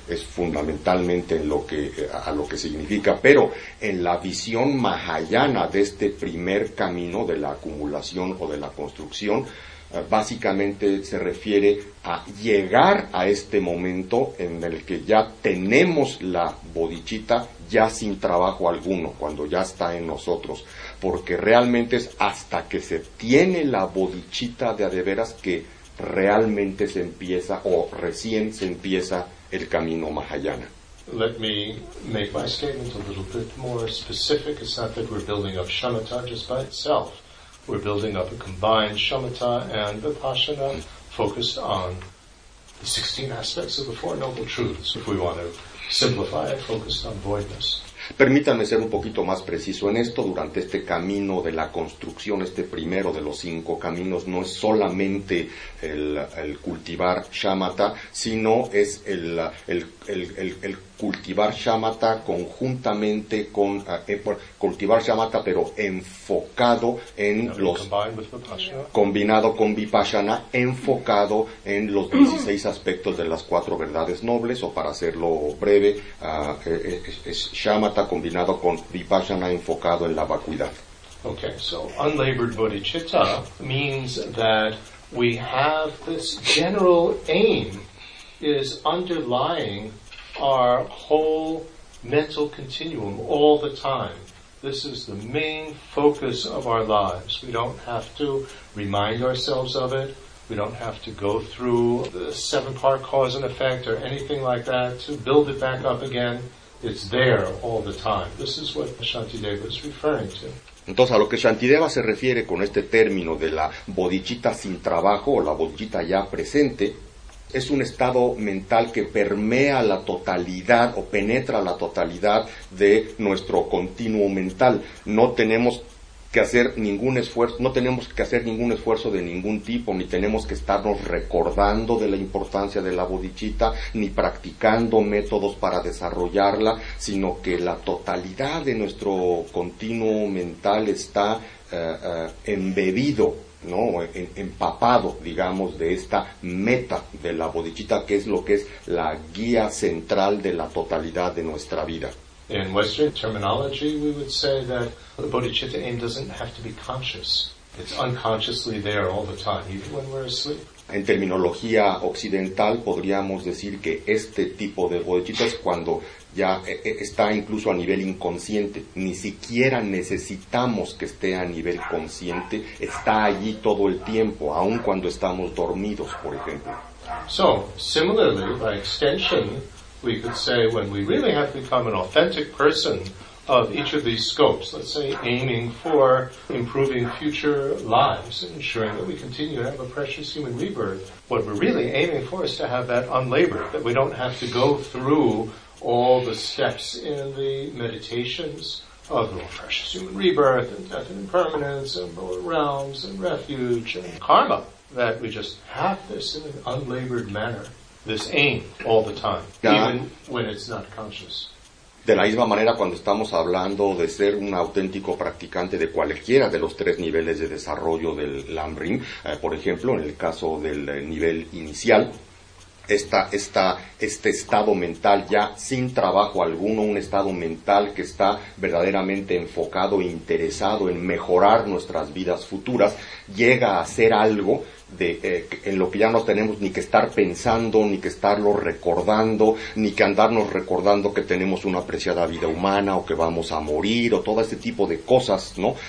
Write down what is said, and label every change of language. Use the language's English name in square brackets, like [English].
[Spanish] Es fundamentalmente en lo que significa, pero en la visión mahayana de este primer camino de la acumulación o de la construcción, básicamente se refiere a llegar a este momento en el que ya tenemos la bodhicitta ya sin trabajo alguno, cuando ya está en nosotros. Porque realmente es hasta que se tiene la bodhicitta de a de veras que realmente se empieza, o recién se empieza, el camino mahayana. [English] Let me make my statement a little bit more specific. It's not that we're building up shamatha just by itself. We're building up a combined shamatha and vipassana focused on the 16 aspects of the Four Noble Truths. If we want to simplify it, focused on voidness. [Spanish] Permítanme ser un poquito más preciso en esto. Durante este camino de la construcción, este primero de los cinco caminos, no es solamente el cultivar shamatha, sino es el cultivar shamatha conjuntamente con cultivar shamatha, pero enfocado en combinado con vipassana, enfocado en los 16 aspectos de las cuatro verdades nobles, o para hacerlo breve, es shamatha combinado con vipassana, enfocado en la vacuidad. [English] Okay, so unlabored bodhicitta means that we have this general aim is underlying our whole mental continuum all the time. This is the main focus of our lives. We don't have to remind ourselves of it. We don't have to go through the seven-part cause and effect or anything like that to build it back up again. It's there all the time. This is what Shantideva is referring to. [Spanish] Entonces, a lo que Shantideva se refiere con este término de la bodhicitta sin trabajo o la bodhicitta ya presente, es un estado mental que permea la totalidad o penetra la totalidad de nuestro continuo mental. No tenemos que hacer ningún esfuerzo, no tenemos que hacer ningún esfuerzo de ningún tipo, ni tenemos que estarnos recordando de la importancia de la bodhicitta, ni practicando métodos para desarrollarla, sino que la totalidad de nuestro continuo mental está embebido, ¿no? Empapado, digamos, de esta meta de la bodhicitta, que es lo que es la guía central de la totalidad de nuestra vida. [English] In Western terminology, we would say that the bodhicitta aim doesn't have to be conscious. It's unconsciously there all the time, even when we're asleep. [Spanish] En terminología occidental, podríamos decir que este tipo de bodhicitta es cuando ya está incluso a nivel inconsciente. Ni siquiera necesitamos que esté a nivel consciente. Está allí todo el tiempo, aun cuando estamos dormidos, por ejemplo. [English] So, similarly, by extension, we could say when we really have become an authentic person of each of these scopes, let's say aiming for improving future lives and ensuring that we continue to have a precious human rebirth, what we're really aiming for is to have that unlabored, that we don't have to go through all the steps in the meditations of the precious human rebirth and death and impermanence and lower realms and refuge and karma, that we just have this in an unlabored manner. This aim all the time, even when it's not conscious. [Spanish] De la misma manera, cuando estamos hablando de ser un auténtico practicante de cualquiera de los tres niveles de desarrollo del lam-rim, por ejemplo, en el caso del nivel inicial, este estado mental ya sin trabajo alguno, un estado mental que está verdaderamente enfocado, interesado en mejorar nuestras vidas futuras, llega a ser algo de, en lo que ya no tenemos ni que estar pensando, ni que estarlo recordando, ni que andarnos recordando que tenemos una apreciada vida humana o que vamos a morir o todo ese tipo de cosas, ¿no?